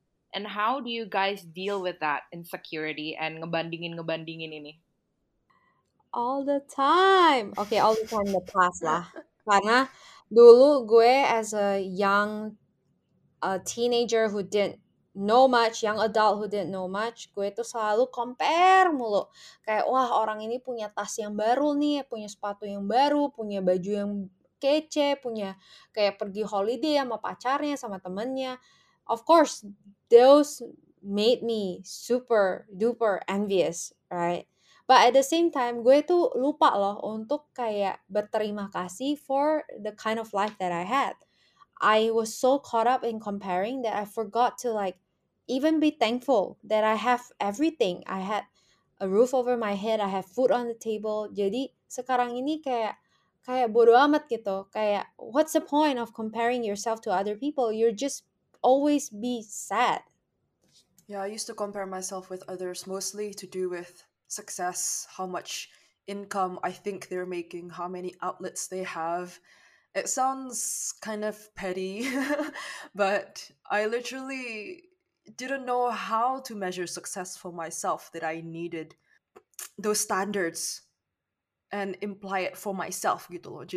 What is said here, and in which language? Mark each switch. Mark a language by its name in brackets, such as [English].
[English] And how do you guys deal with that insecurity and [Indonesian] ngebandingin ini? [English] All the time. Okay, all the time in the past [Indonesian] lah. Karena dulu gue [English] as a teenager who didn't know much, young adult who didn't know much, [Indonesian] gue tuh selalu [English] compare [Indonesian] mulu. Kayak, wah orang ini punya tas yang baru nih, punya sepatu yang baru, punya baju yang kece, punya kayak pergi holiday sama pacarnya, sama temennya. [English] Of course, those made me super duper envious, right? But at the same time, [Indonesian] gue tuh lupa loh untuk kayak berterima kasih [English] for the kind of life that I had. I was so caught up in comparing that I forgot to like even be thankful that I have everything. I had a roof over my head, I have food on the table. [Indonesian] Jadi sekarang ini kayak bodo amat gitu. Kayak, [English] what's the point of comparing yourself to other people? You're just always be sad. Yeah, I used to compare myself with others mostly to do with success, how much income I think they're making, how many outlets they have. It sounds kind of petty, but I literally didn't know how to measure success for myself, that I needed those standards and imply it for myself [Indonesian] gitu loh.